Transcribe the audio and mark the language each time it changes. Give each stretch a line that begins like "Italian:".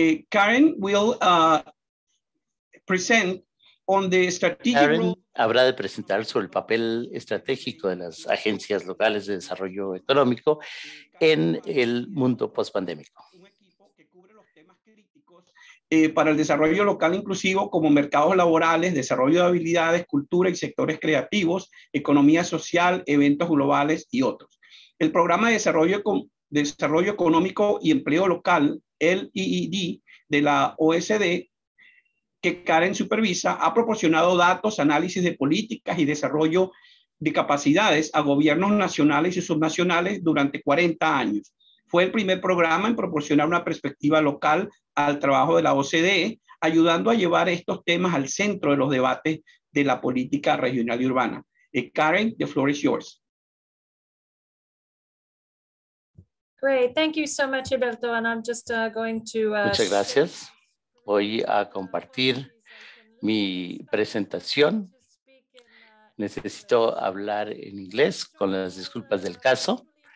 English: Karen will present on the strategic role.
Spanish: Habrá de presentar sobre el papel estratégico de las agencias locales de desarrollo económico en el mundo pospandémico. Un equipo que cubre los temas críticos para el desarrollo local inclusivo como mercados laborales, desarrollo de habilidades, cultura y sectores creativos, economía social, eventos globales y otros. El Programa de Desarrollo Económico y Empleo Local, el EED, de la OECD, que Karen supervisa, ha proporcionado datos, análisis de políticas y desarrollo de capacidades a gobiernos nacionales y subnacionales durante 40 años. Fue el primer programa en proporcionar una perspectiva local al trabajo de la OCDE, ayudando a llevar estos temas al centro de los debates de la política regional y urbana.
English: Karen, the floor is yours. Great, thank you so much, Alberto, and I'm just going to...
Spanish: Muchas gracias. Voy a compartir mi presentación. Necesito hablar en inglés con las disculpas del caso.